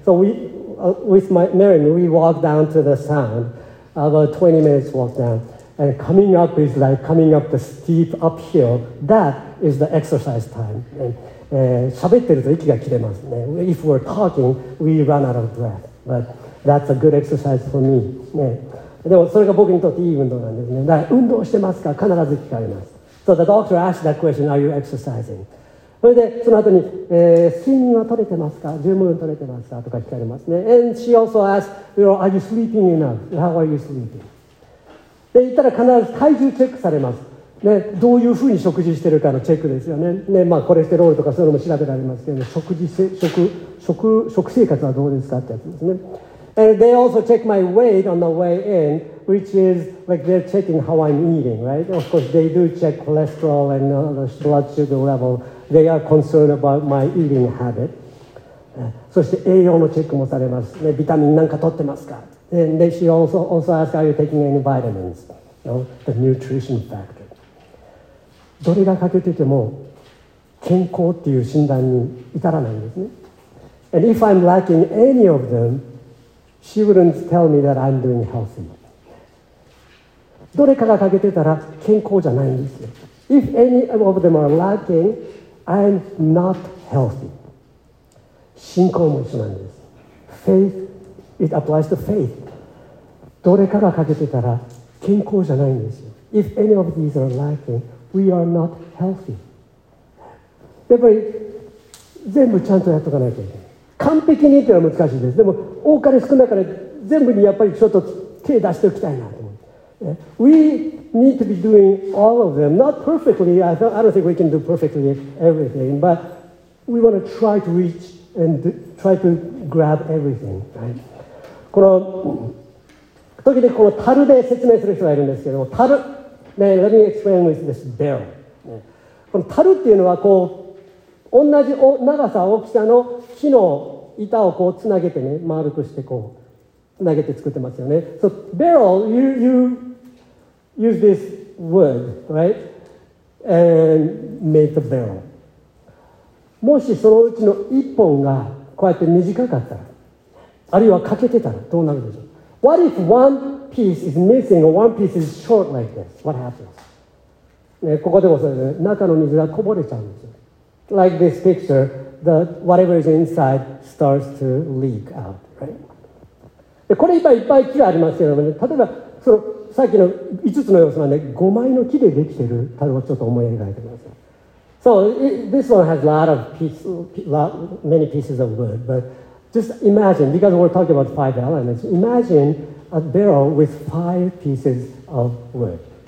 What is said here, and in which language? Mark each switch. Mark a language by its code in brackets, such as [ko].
[en] So with my Mary, we walk down to the sound, about 20 minutes walk down, and coming up is like coming up the steep uphill. That is the exercise time. [ja] 喋ってると息が切れますね。 [en] If we're talking, we run out of breath. But that's a good exercise for me.、 [ja] ね、でもそれが僕にとっていい運動なんですね。だから運動してますか?必ず聞かれます。 [en] So the doctor asked that question, are you exercising? [ja] それでその後に、睡眠は取れてますか、十分取れてますかとか聞かれますね。 [en] And she also asked, you know, are you sleeping enough? How are you sleeping? [ja] で言ったら必ず体重チェックされます、ね。どういうふうに食事してるかのチェックですよね。ね、まあコレステロールとかそういうのも調べられますけど、ね、食生活はどうですかってやつですね。 [en] And they also check my weight on the way in, which is like they're checking how I'm eating, right? Of course, they do check cholesterol and the blood sugar level. They are concerned about my eating habit. [ja] そして栄養のチェックもされます。ね、ビタミンなんか取ってますか? [en] And she also asks, are you taking any vitamins? No? The nutrition factor. [ja] どれがかけてても健康っていう診断に至らないんですね。 [en] And if I'm lacking any of them, she wouldn't tell me that I'm doing healthy. [ja] どれかが欠けてたら健康じゃないんですよ。 [en] If any of them are lacking,I'm not healthy. [ja] 信仰も一緒なんです。 [en] Faith, it applies to faith. [ja] どれかが欠けてたら健康じゃないんですよ。 [en] If any of these are lacking, we are not healthy. [ja] やっぱり全部ちゃんとやっとかないといけない。完璧にというのは難しいです。でも多かれ少なかれ全部にやっぱりちょっと手を出しておきたいなと思う。 [en] We need to be doing all of them, not perfectly. I don't think we can do perfectly everything, but we want to try to reach and try to grab everything.、Right? [ja] この時々この樽で説明する人がいるんですけども、樽ね、 [en] Let me explain with this barrel.、 [ja] ね、この樽っていうのはこう同じ長さ大きさの木の板をこうつなげてね、丸くしてこう。投げて作ってますよね。 [en] So barrel, you use this wood, right? And make the barrel. [ja] もしそのうちの一本がこうやって短かったら、あるいは欠けてたらどうなるでしょう。 [en] What if one piece is missing or one piece is short like this? What happens? [ja] ね、ここでもそうですね。中の水がこぼれちゃうんですよ。 [en] Like this picture, the whatever is inside starts to leak out, right? [ja] でこれいっぱいいっぱい木がありますけどもね、例えばそのさっきの5つの要素はね、5枚の木でできている、例えばちょっと思い描いてください。 [en] So, this one has a lot of many pieces of wood, but just imagine, because we're talking about five elements, imagine a barrel with five pieces of wood.